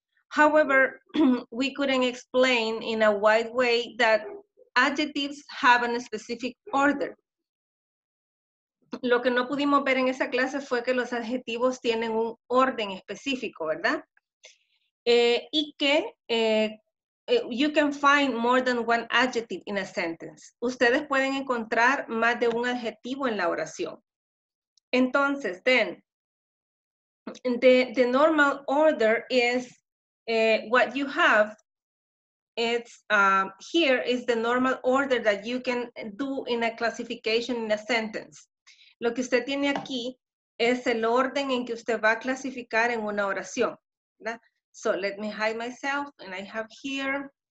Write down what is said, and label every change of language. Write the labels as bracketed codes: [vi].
[en] However, we couldn't explain in a wide way that adjectives have a specific order. [es] Lo que no pudimos ver en esa clase fue que los adjetivos tienen un orden específico, ¿verdad? Y que [en] You can find more than one adjective in a sentence. [es] Ustedes pueden encontrar más de un adjetivo en la oración. [en] Entonces, then, the normal order is what you have. It's here is the normal order that you can do in a classification in a sentence. [es] Lo que usted tiene aquí es el orden en que usted va a clasificar en una oración, ¿verdad? [en] So let me hide myself, and I have here.